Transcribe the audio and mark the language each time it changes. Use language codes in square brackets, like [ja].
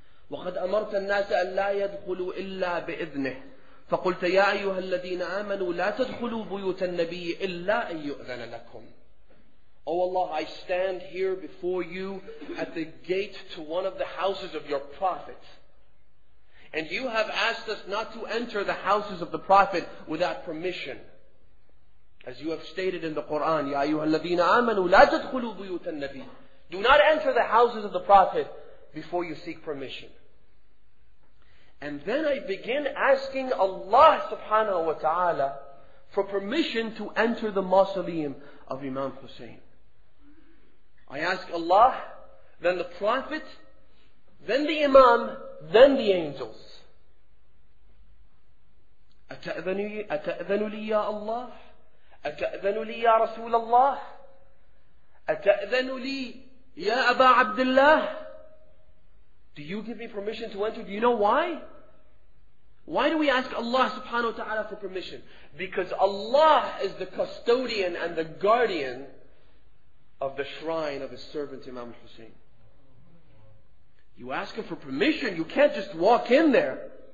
[ar] وَقَدْ أَمَرْتَ النَّاسَ أَلَّا يَدْخُلُوا إِلَّا بِإِذْنِهِ فَقُلْتَ يَا أَيُّهَا الَّذِينَ آمَنُوا لَا تَدْخُلُوا بُيُوتَ النَّبِيِّ إِلَّا أَنْ يُؤْذَنَ لَكُمْ. [en] O Allah, I stand here before you at the gate to one of the houses of your Prophet. And you have asked us not to enter the houses of the Prophet without permission. As you have stated in the Quran, [ar] يَا أَيُّهَا الَّذِينَ آمَنُوا لَا تَدْخُلُوا بُيُوتَ النَّبِيِّ. [en] Do not enter the houses of the Prophet before you seek permission. And then I begin asking Allah subhanahu wa ta'ala for permission to enter the mausoleum of Imam Hussein. I ask Allah, then the Prophet, then the Imam, then the angels. [ar] أَتَأْذَنُ لِي يَا اللَّهِ أَتَأْذَنُ لِي يَا رَسُولَ اللَّهِ أَتَأْذَنُ لِي يَا أَبَا عَبْدِ اللَّهِ. [en] Do you give me permission to enter? Do you know why? Why do we ask Allah subhanahu wa ta'ala for permission? Because Allah is the custodian and the guardian of the shrine of His servant Imam Hussein. You ask Him for permission, you can't just walk in there.